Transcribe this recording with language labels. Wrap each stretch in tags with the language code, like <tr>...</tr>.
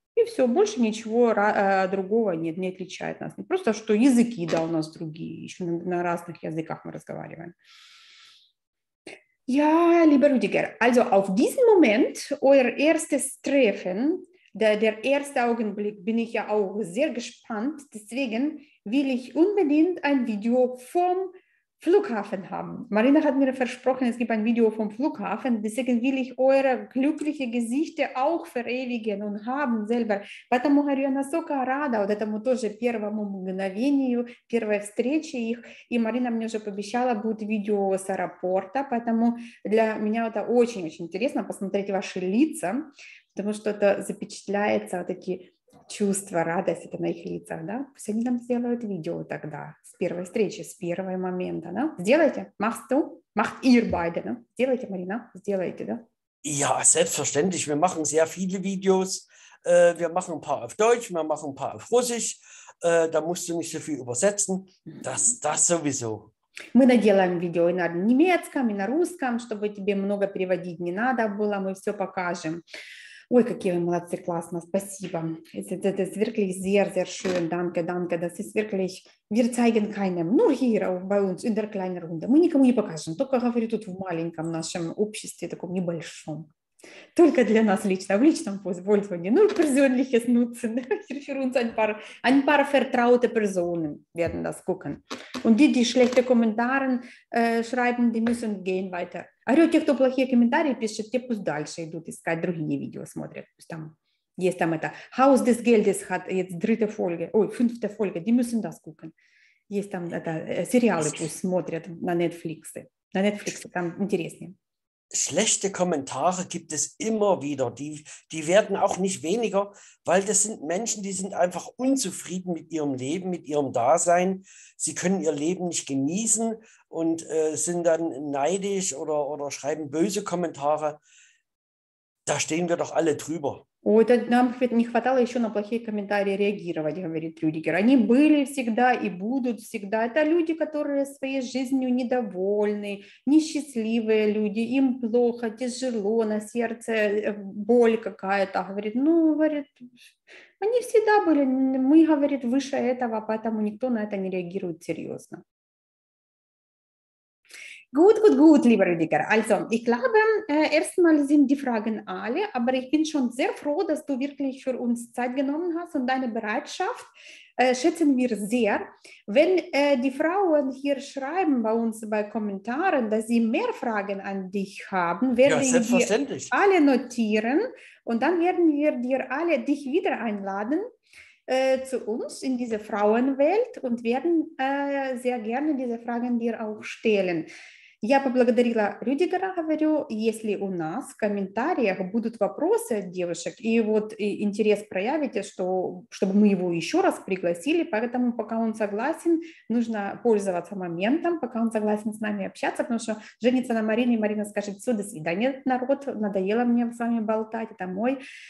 <ru>И все, больше ничего другого нет, не отличает нас. Просто что языки, да, у нас другие, еще на разных языках мы разговариваем.</ru> <de>Ja, lieber Rüdiger, also auf diesen Moment, euer erstes Treffen, der erste Augenblick, bin ich ja auch sehr gespannt. Deswegen will ich unbedingt ein Video vom Flughafen haben. Marina hat mir versprochen, es gibt ein Video vom Flughafen. Deswegen will ich eure glückliche Gesichter auch verewigen und haben selber.</de> <ru>Потому говорю, я настолько рада вот этому тоже первому мгновению, первой встрече их. И Марина мне уже пообещала, будет видео с аэропорта. Поэтому для меня это очень-очень интересно, посмотреть ваши лица. Потому что это запечатляется, вот такие чувства, радость это на их лицах, да? Пусть они нам сделают видео тогда, с первой встречи, с первого момента, да? Сделайте,</ru> <de>machst du, macht ihr beide, да?</de> <ru>Сделайте, Марина, сделайте, да?</ru> <de>Ja, selbstverständlich, wir machen sehr viele Videos. Wir machen ein paar auf Deutsch, wir machen ein paar auf Russisch. Da musst du nicht so viel übersetzen, das sowieso.</de> <ru>Мы наделаем видео и на немецком, и на русском, чтобы тебе много переводить не надо было, мы все покажем. Ой, какие вы молодцы, классно, спасибо.</ru> <de>Это wirklich sehr, sehr schön, danke, danke. Das ist wirklich, wir zeigen keinem, nur hier bei uns, in der kleinen Runde.</de> <ru>Мы никому не покажем, только говорю тут в маленьком нашем обществе, таком небольшом. Только для нас лично, в личном пользовании.</ru> <de>Nur persönliches Nutzen, für uns ein paar vertraute Personen werden das gucken. Und die schlechte Kommentare schreiben, die müssen gehen weiter.</de> <ru>Говорю, те, кто плохие комментарии пишет, те пусть дальше идут искать, другие видео смотрят. Пусть там есть там это.</ru> <de>Haus des Geldes hat jetzt dritte Folge. Ой, fünfte Folge. Die müssen das gucken.</de> <ru>Есть там это, сериалы пусть смотрят на Netflix. На Netflix там интереснее.</ru> <de>Schlechte Kommentare gibt es immer wieder. Die werden auch nicht weniger, weil das sind Menschen, die sind einfach unzufrieden mit ihrem Leben, mit ihrem Dasein. Sie können ihr Leben nicht genießen und sind dann neidisch oder schreiben böse Kommentare. Da stehen wir doch alle drüber.</de> <ru>Ой, это, нам не хватало еще на плохие комментарии реагировать, говорит Рюдигер. Они были всегда и будут всегда. Это люди, которые своей жизнью недовольны, несчастливые люди, им плохо, тяжело, на сердце боль какая-то, говорит. Ну, говорит, они всегда были, мы, говорит, выше этого, поэтому никто на это не реагирует серьезно.</ru> <de>Gut, gut, gut, lieber Rüdiger. Also, ich glaube, erstmal sind die Fragen alle, aber ich bin schon sehr froh, dass du wirklich für uns Zeit genommen hast und deine Bereitschaft schätzen wir sehr. Wenn die Frauen hier schreiben bei uns bei Kommentaren, dass sie mehr Fragen an dich haben, werden wir alle notieren und dann werden wir dir alle dich wieder einladen zu uns in diese Frauenwelt und werden sehr gerne diese Fragen dir auch stellen.</de> <ru>Я поблагодарила Рюдигера, говорю, если у нас в комментариях будут вопросы от девушек, и вот и интерес проявите, чтобы мы его еще раз пригласили, поэтому пока он согласен, нужно пользоваться моментом, пока он согласен с нами общаться, потому что женится на Марине, и Марина скажет, все, до свидания, народ, надоело мне с вами болтать, это мой</ru>